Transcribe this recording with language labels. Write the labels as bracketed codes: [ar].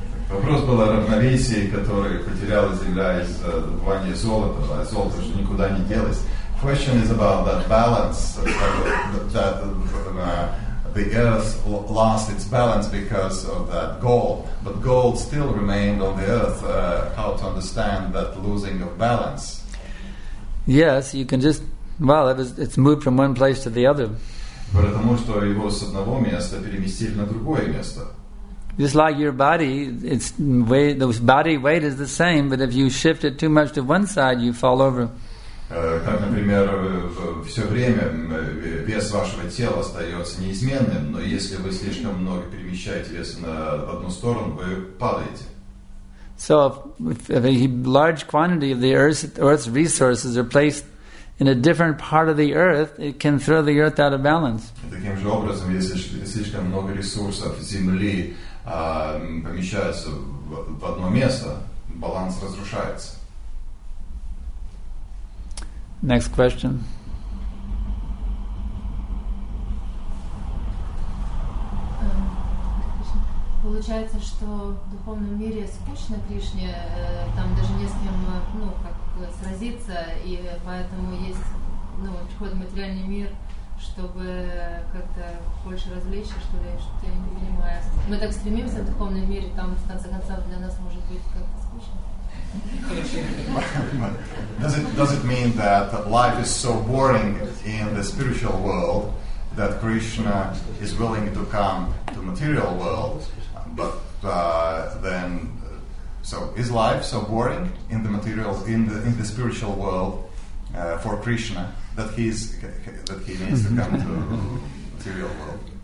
[ru] Вопрос был о равновесии, которое потеряла земля из-за добывания золота, а золото же никуда не делось. [en] Question is about that balance, that the earth lost its balance because of that gold, but gold still remained on the earth. How to understand that losing of balance? Yes, you can just, well, it's moved from one place to the other. [ru] Потому что его с одного места переместили на другое место. [en] Just like your body, its weight, the body weight is the same, but if you shift it too much to one side, you fall over. [ru] Как, например, все время вес вашего тела остается неизменным, но если вы слишком много перемещаете вес на одну сторону, вы падаете. [en] So if a large quantity of the Earth's resources are placed in a different part of the earth, it can throw the earth out of balance. [ru] Таким же образом, если слишком много ресурсов земли помещается в одно место, баланс разрушается. [en] Next question. Uh, [ru] получается, что в духовном мире скучно Кришне, там даже не с кем, ну, как сразиться, и поэтому есть, ну, приход в материальный мир, чтобы как-то больше развлечься, что ли, что я не понимаю. Мы так стремимся в духовном мире, там, в конце концов, для нас может быть как-то скучно. [en] Does it mean that life is so boring in the spiritual world that Krishna is willing to come to material world, but then, so is life so boring in the material, in the spiritual world for Krishna that he needs to come to material world?